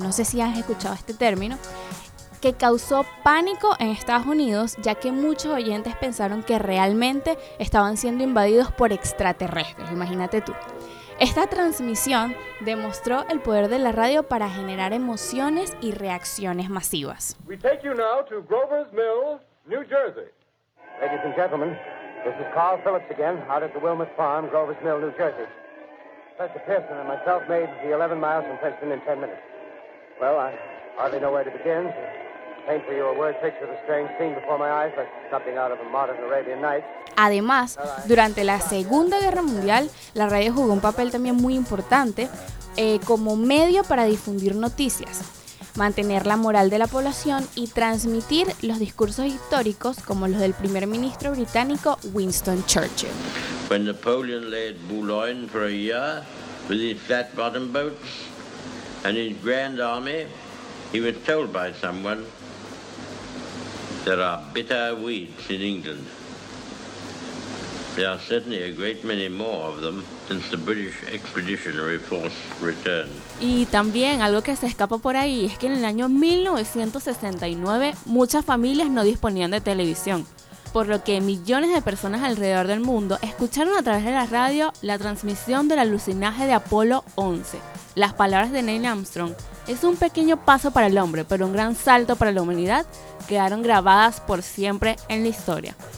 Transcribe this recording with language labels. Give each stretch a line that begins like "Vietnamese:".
Spanish: No sé si has escuchado este término, que causó pánico en Estados Unidos, ya que muchos oyentes pensaron que realmente estaban siendo invadidos por extraterrestres, imagínate tú. Esta transmisión demostró el poder de la radio para generar emociones y reacciones masivas.
English: We take you now to Grover's Mill, New Jersey. Ladies and gentlemen, this is Carl Phillips again, out at the Wilmot Farm, Grover's Mill, New Jersey. Professor Pearson and myself made the 11 miles from Princeton in 10 minutes. Well, I hardly know where to begin, so paint for you a word picture of a strange scene before my eyes, like something out of a modern Arabian Nights.
Spanish: Además, durante la Segunda Guerra Mundial, la radio jugó un papel también muy importante como medio para difundir noticias, mantener la moral de la población y transmitir los discursos históricos como los del primer ministro británico Winston Churchill.
English: When Napoleon lay at Boulogne for a year with his flat-bottomed boats and his grand army, he was told by someone, there are bitter weeds in England. There are certainly a great many more of them since the British Expeditionary Force returned.
Spanish: Y también algo que se escapa por ahí es que en el año 1969 muchas familias no disponían de televisión, por lo que millones de personas alrededor del mundo escucharon a través de la radio la transmisión del alunizaje de Apolo 11. Las palabras de Neil Armstrong, es un pequeño paso para el hombre, pero un gran salto para la humanidad, quedaron grabadas por siempre en la historia.